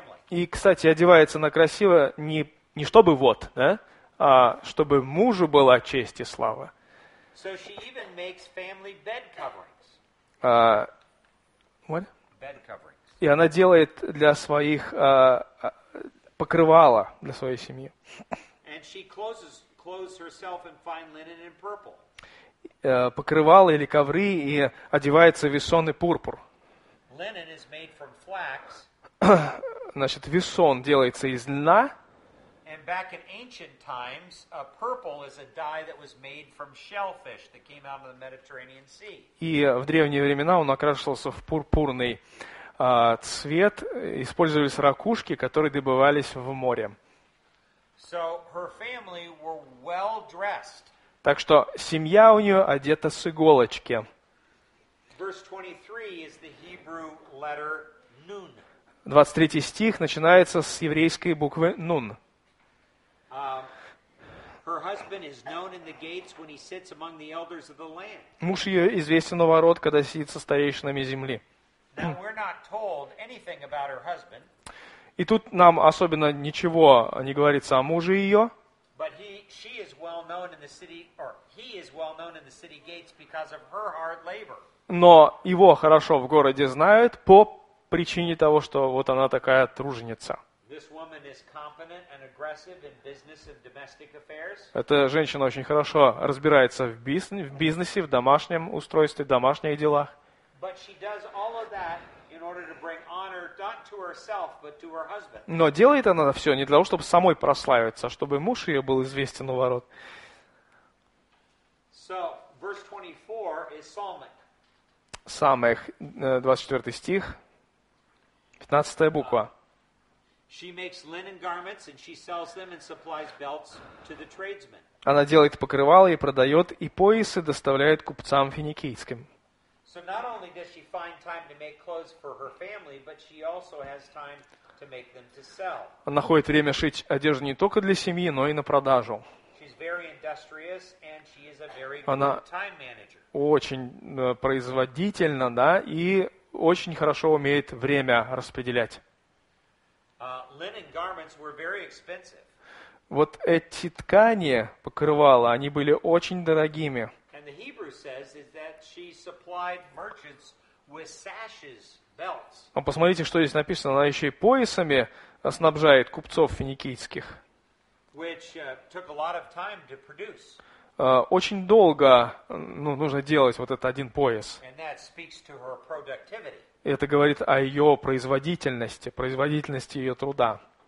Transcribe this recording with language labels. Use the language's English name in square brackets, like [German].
[Russian] И, кстати, одевается она красиво не чтобы вот, да, а чтобы мужу была честь и слава. [English] So she even makes family bed coverings. What? Bed coverings. [Russian] И она делает для своих покрывало для своей семьи. [English] And she clothes herself in fine linen and purple. [Russian] Покрывала или ковры и одевается весон и пурпур. [English] Linen is made from flax. [Russian] Значит, весон делается из льна. [English] And back in ancient times, a purple is a dye that was made from shellfish that came out of the Mediterranean Sea. [Russian] И в древние времена он окрашивался в пурпурный цвет. Использовались ракушки, которые добывались в море. [English] So her family were well dressed. [Russian] Так что семья у нее одета с иголочки. [English] Verse 23 is the Hebrew letter nun. [Russian] 23 стих начинается с еврейской буквы нун. [English] Her husband is known in the gates when he sits among the elders of the land. [Russian] Муж ее известен у ворот, когда сидит со старейшинами земли. [English] Now we're not told anything about her husband. [Russian] И тут нам особенно ничего не говорится о муже ее. [English] But she is well known in the city, or he is well known in the city gates because of her hard labor. [Russian] Но его хорошо в городе знают по причине того, что вот она такая труженица. [English] This woman is competent and aggressive in business and domestic affairs. [Russian] Эта женщина очень хорошо разбирается в бизнесе, в домашнем устройстве, в домашних делах. [English] But she does all of that in order to bring honor not to herself, but to her husband. [Russian] Но делает она все не для того, чтобы самой прославиться, а чтобы муж ее был известен у ворот. [English] So, verse 24 is Psalmic. [Russian] Самых, 24 стих, 15 буква. [English] She makes linen garments and she sells them and supplies belts to the tradesmen. [Russian] Она делает покрывало и продает, и поясы доставляет купцам финикийским. [English] So not only does she find time to make clothes for her family, but she also has time to make them to sell. [Russian] Она находит время шить одежду не только для семьи, но и на продажу. [English] She's very industrious and she is a very good time manager. [Russian] Она очень производительна, да, и очень хорошо умеет время распределять. [English] Linen garments were very expensive. [Russian] Вот эти ткани, покрывала, они были очень дорогими. [English] And the Hebrew says that she supplied merchants with sashes, belts. [Russian] А посмотрите, что здесь написано, она еще и поясами снабжает купцов финикийских. [English] Which took a lot of time to produce. [Russian] Очень долго, ну, нужно делать вот этот один пояс. [English] And that speaks to her productivity. [Russian] Это говорит о ее производительности ее труда.